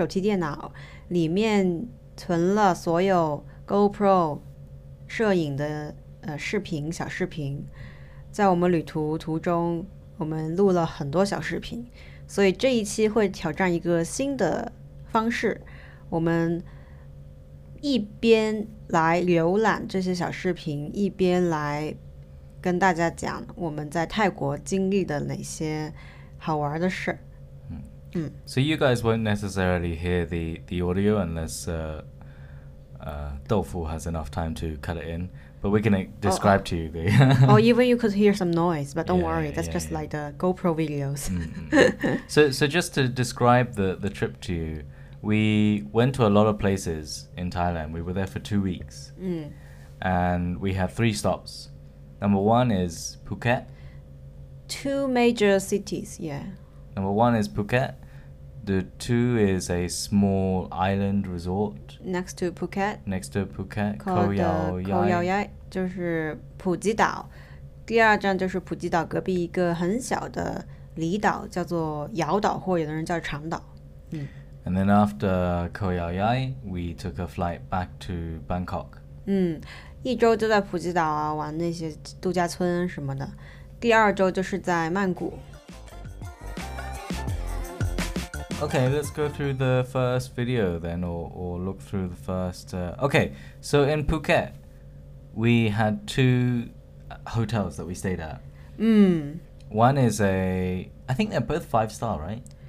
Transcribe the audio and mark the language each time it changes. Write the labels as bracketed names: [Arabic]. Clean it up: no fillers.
[Chinese] 就是我们眼前呢是菠萝的手提电脑里面存了所有 GoPro 摄影的视频，小视频， 在我们旅途途中， 我们录了很多小视频， 所以这一期会挑战一个新的方式， 我们一边来浏览这些小视频， 一边来跟大家讲 我们在泰国经历的哪些好玩的事。 [English] So you guys won't necessarily hear the audio unless Doufu has enough time to cut it in, but we're going to describe to you the... Or even you could hear some noise, but don't worry, that's just like the GoPro videos. So just to describe the trip to you, we went to a lot of places in Thailand. We were there for 2 weeks, and we had 3 stops. Number one is Phuket. 2 major cities, yeah. Number one is Phuket. The 2 is a small island resort Next to Phuket Koh Yao Yai [Chinese] 就是普吉岛。第二站就是普吉岛隔壁一个很小的离岛， 叫做瑶岛， 或有的人叫长岛。 [English] And then after Koh Yao Yai, we took a flight back to Bangkok. [Chinese] 一周就在普吉岛啊， 玩那些度假村什么的。第二周就是在曼谷。 [English] Okay, let's go through the first video then, or look through the first... okay, so in Phuket, we had 2 hotels that we stayed at. One is a... I think they're both 5-star, right?